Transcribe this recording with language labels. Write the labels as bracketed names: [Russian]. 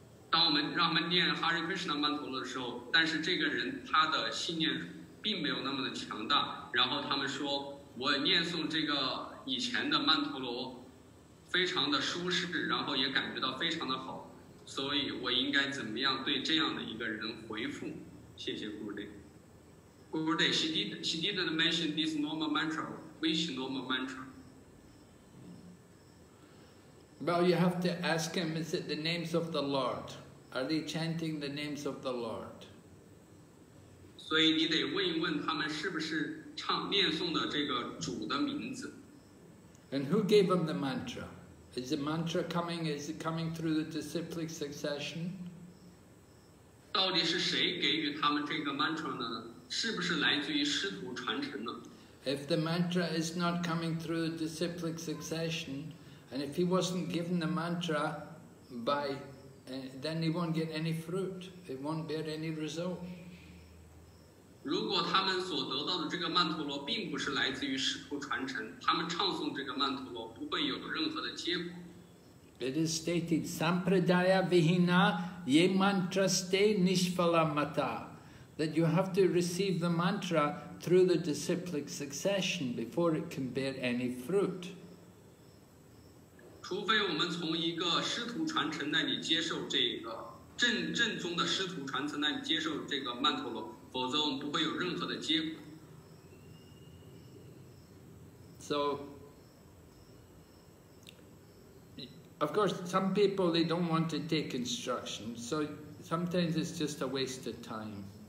[Chinese] 当我们让他们念 Hare Krishna 曼陀罗的时候，但是这个人他的信念并没有那么的强大，然后他们说，我念诵这个以前的曼陀罗非常的舒适，然后也感觉到非常的好，所以我应该怎么样对这样的一个人回复？谢谢 Gurudev. [English] Gurudev, she didn't mention this normal mantra, which normal mantra? Well, you have to ask him, is it the names of the Lord? Are they chanting the names of the Lord? [Chinese] 所以你得问一问他们是不是唱念诵的这个主的名字。 [English] And who gave him the mantra? Is the mantra coming? Is it coming through the disciplic succession? [Chinese] 到底是谁给予他们这个 mantra 呢？是不是来自于师徒传承呢？ [English] If the mantra is not coming through the disciplic succession, and if he wasn't given the mantra by, then he won't get any fruit. It won't bear any result. [Chinese] 如果他们所得到的这个曼陀罗并不是来自于师徒传承，他们唱诵这个曼陀罗不会有任何的结果。 [English] It is stated, [Sanskrit] Sampradaya Vihina ye mantraste nishphalamata, [English] that you have to receive the mantra through the disciplic succession before it can bear any fruit. [Chinese] 除非我们从一个师徒传承那里接受这个曼陀罗，否则我们不会有任何的结果。 [English] So, of course, some people, they don't want to take instruction, so sometimes it's just a waste of time.